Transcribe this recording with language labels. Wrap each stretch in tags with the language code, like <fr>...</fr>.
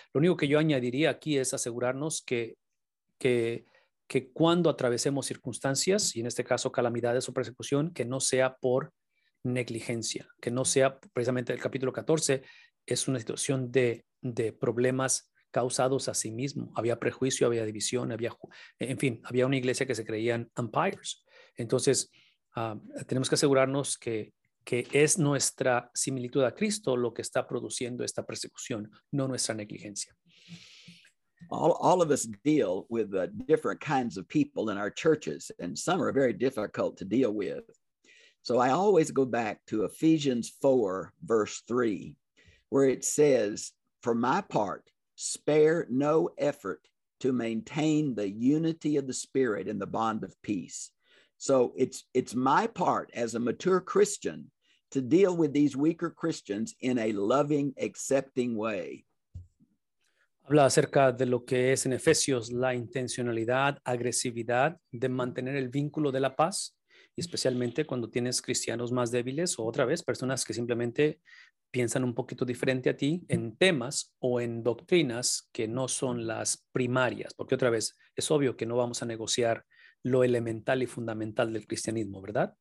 <es>Lo único que yo añadiría aquí es asegurarnos que cuando atravesemos circunstancias, y en este caso calamidades o persecución, que no sea por negligencia, que no sea precisamente el capítulo 14, es una situación de problemas causados a sí mismo. Había prejuicio, había división, había, en fin, había una iglesia que se creían empires. Entonces, tenemos que asegurarnos que es nuestra similitud a Cristo lo que está produciendo esta persecución, no nuestra negligencia.</es> <en>All of us deal with different kinds of people in our churches, and some are very difficult to deal with. So I always go back to Ephesians 4, verse 3, where it says, "For my part, spare no effort to maintain the unity of the Spirit in the bond of peace." So it's my part as a mature Christian to deal with these weaker Christians in a loving, accepting way.</en> <es>Habla acerca de lo que es en Efesios la intencionalidad, agresividad de mantener el vínculo de la paz, y especialmente cuando tienes cristianos más débiles o otra vez personas que simplemente piensan un poquito diferente a ti en temas o en doctrinas que no son las primarias, porque otra vez es obvio que no vamos a negociar lo elemental y fundamental del cristianismo, ¿verdad?</es>